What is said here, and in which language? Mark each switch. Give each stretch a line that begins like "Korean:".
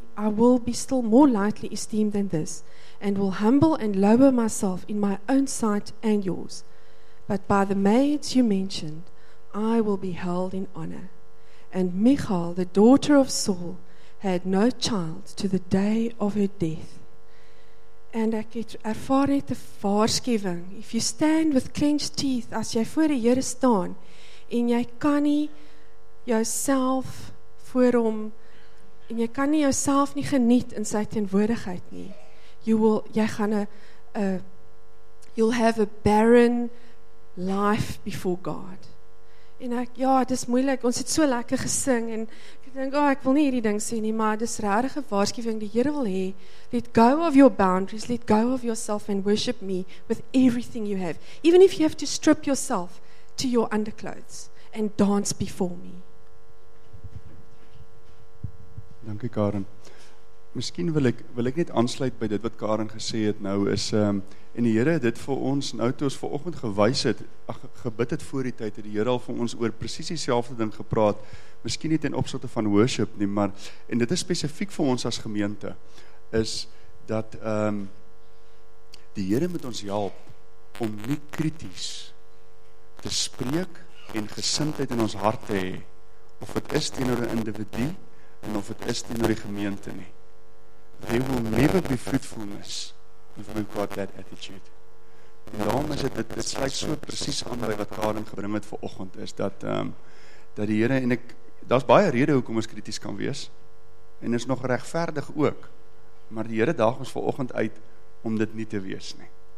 English: I will be still more lightly esteemed than this, and will humble and lower myself in my own sight and yours. But by the maids you mentioned, I will be held in honor." And Michal, the daughter of Saul, had no child to the day of her death.
Afrikaans: And ek het ervaar net 'n waarskuwing.
English: If you stand with clenched teeth,
Afrikaans: as jy voor die Here staan, en jy kan nie jouself voor hom, en jy kan nie jouself nie geniet in sy teenwoordigheid nie,
English: you'll have a barren life before God.
Afrikaans: En ek, ja, dit is moeilik, ons het so lekker gesing, en ek denk, oh, ek wil nie hierdie ding sê nie, maar dit is regtig 'n waarskuwing, die Here wil hê,
English: let go of your boundaries, let go of yourself and worship me with everything you have. Even if you have to strip yourself to your underclothes and dance before me.
Afrikaans: Dankie Karen. Miskien wil ek net aansluit by dit wat Karen gesê het nou is, en die Here het dit vir ons nou toe ons vanoggend gewys het, gebid het voor die tyd, het die Here al vir ons oor presies dieselfde ding gepraat, miskien nie ten opsigte van worship nie, maar, en dit is spesifiek vir ons as gemeente, is dat die Here moet ons help om nie krities te spreek en gesindheid in ons hart te hê, of het is teenoor 'n individu en of het is teenoor die gemeente nie.
English: They will never be fruitfulness if we've got that attitude.
Afrikaans: En daarom is het, dit sluit so precies aan by wat Karen gebring het vir oggend, is dat, dat die Here, en ek, daar is baie rede hoekom ons krities kan wees, en is nog regverdig ook, maar die Here daag ons vir oggend uit, om dit nie te wees nie.